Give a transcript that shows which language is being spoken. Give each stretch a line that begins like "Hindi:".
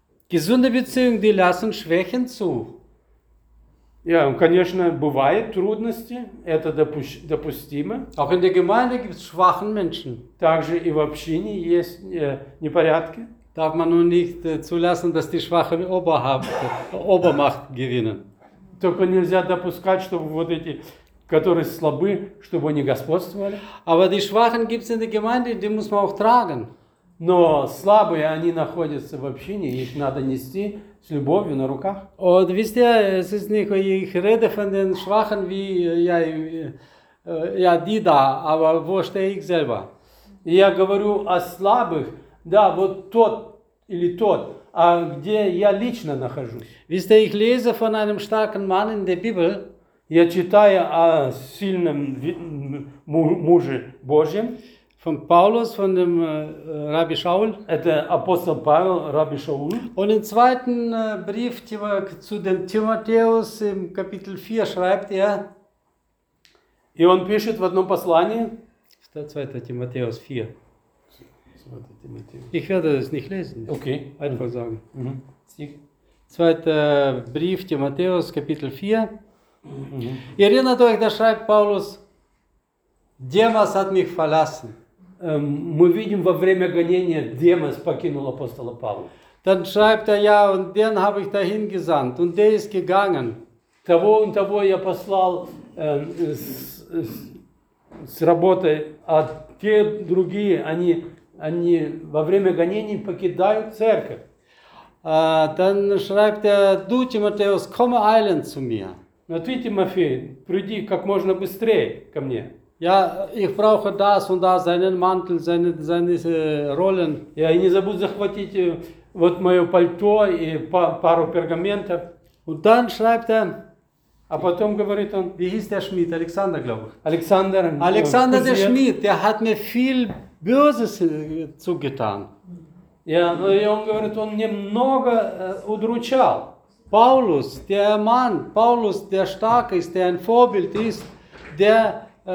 German: Gesunde Beziehungen, die lassen Schwächen zu. Ja, und
Russian: конечно, бывают трудности, это допустимо.
German: Auch in der Gemeinde gibt es schwachen Menschen.
Russian: Также и в общине есть непорядки.
German: Darf man nur nicht zulassen, dass die Schwachen Obermacht gewinnen.
Russian: Только нельзя допускать, чтобы вот эти... которые слабы, чтобы они господствовали.
German: Aber die Schwachen gibt's in der Gemeinde, die muss man auch tragen.
Russian: Но слабые, они находятся в общине, их надо нести с любовью на руках.
German: Und wisst ihr, es ist nicht, ich rede von den Schwachen, wie
Russian: я,
German: ja, die da, aber wo stehe ich selber?
Russian: Я говорю о слабых, да, вот тот или тот, а где я лично нахожусь?
German: Wisst ihr, ich lese von einem starken Mann in der Bibel,
Russian: я читаю о сильном муже Божьем.
German: Von Paulus, von dem Rabbi Shaul.
Russian: Это апостол Павел, Рабби Шауль.
German: Und im zweiten Brief zu dem Timotheus, im Kapitel 4, schreibt er.
Russian: И он пишет в одном послании.
German: 2 Timotheus 4. Ich werde das nicht lesen. Okay. Einfach sagen. Mm-hmm. 2. Brief, Timotheus, Kapitel 4. Mm-hmm. Erinnert euch, da schreibt Paulus, Demas hat mich verlassen.
Russian: Мы видим во время гонения, Демас покинул апостола Павла.
German: Dann schreibt er, ja, und den habe ich dahin gesandt, und der ist gegangen.
Russian: Того
German: und
Russian: того я послал с работы, а те другие, они во время гонений покидают церковь.
German: Dann schreibt er, du, Timotheus, komm eilend zu mir.
Russian: Но ты, Тимофей, приди как можно быстрее ко мне.
German: Ja, ich brauche das und das, seinen Mantel, seine Rollen.
Russian: Ja, и не забудь захватить вот мое пальто и пару пергаментов.
German: Und dann schreibt er,
Russian: а потом говорит он,
German: wie hieß der Schmied, Alexander, glaube ich. Alexander. Alexander der Schmied, der hat mir viel Böses zugetan.
Russian: Ja, и он говорит, он мне много удручал.
German: Paulus, der Mann, Paulus, der stark ist, der ein Vorbild ist, der